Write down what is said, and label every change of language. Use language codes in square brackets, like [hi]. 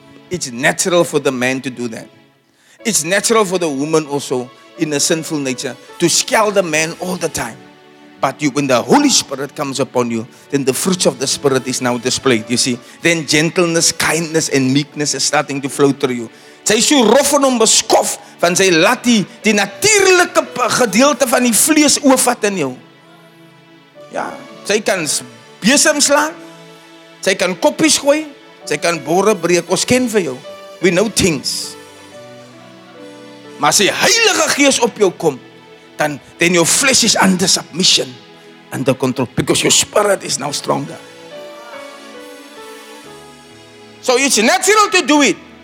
[en] It's natural for the man to do that. It's natural for the woman also, in a sinful nature, to scowl the man all the time. But you, when the Holy Spirit comes upon you, then the fruits of the Spirit is now displayed. You see, then gentleness, kindness, and meekness is starting to flow through you. [af] Sy is so rof en hom beskof, want sy laat die natuurlike gedeelte van die vlees oorvat in jou. Ja, sy kan besem slaan, sy kan koppies gooi, sy kan bore breek. Ons ken vir jou. [en] We know things. [af] Maar as die Heilige Gees op jou kom, [en] then your flesh is under submission, under control, because your spirit is now stronger. So it's natural to do it.